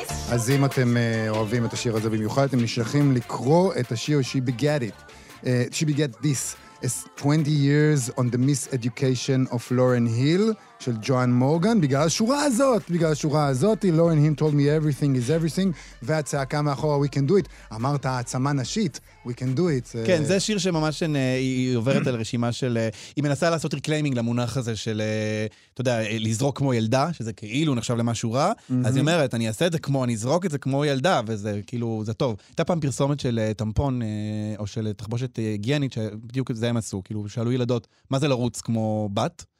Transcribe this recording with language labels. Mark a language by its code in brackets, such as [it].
[he] אז אם אתם אוהבים את השיר הזה במיוחד, אתם נשלחים לקרוא את השיר [en] She Begat It. She Begat This. It's 20 years on the mis-education of Lauryn Hill [he] של ג'ואן מורגן, בגלל השורה הזאת, [en] בגלל השורה הזאת, Lauryn Hill told me everything is everything, [he] והצעקה מאחורה, [en] we can do it. [he] אמרת, העצמה נשית, [en] we can do it. [he] כן, זה שיר שממש היא עוברת על רשימה של, היא מנסה לעשות reclaiming למונח הזה של, אתה יודע, לזרוק כמו ילדה, שזה כאילו נחשב למשהו רע, אז היא אומרת, אני אעשה את זה כמו, אני אזרוק את זה כמו ילדה, וזה כאילו, זה טוב. הייתה פעם פרסומת של טמפון, או של תחבושת היגיינית, שבדיוק זה הם עשו, כאילו, שאלו ילדות, מה זה לרוץ כמו בת?